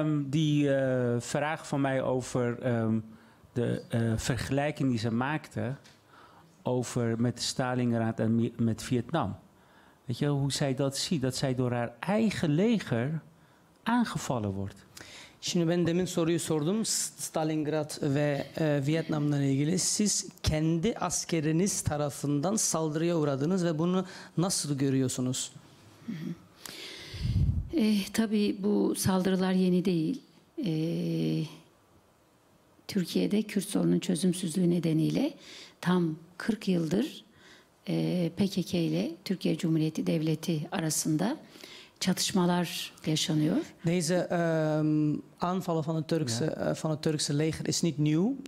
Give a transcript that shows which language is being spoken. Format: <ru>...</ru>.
<nl>Die vraag van mij over de vergelijking die ze maakte over met Stalingrad en met Vietnam. Weet je hoe zij dat ziet? Dat zij door haar eigen leger aangevallen wordt.</nl> <tr>Şimdi ben demin soruyu sordum. Stalingrad ve Vietnam'la ilgili. Siz kendi askeriniz tarafından saldırıya uğradınız ve bunu nasıl görüyorsunuz? Tabii bu saldırılar yeni değil. Türkiye'de Kürt sorunun çözümsüzlüğü nedeniyle tam 40 yıldır PKK ile Türkiye Cumhuriyeti Devleti arasında çatışmalar yaşanıyor.</tr> <nl>Deze aanvallen van het Turkse van het Turkse leger is niet nieuw.</nl>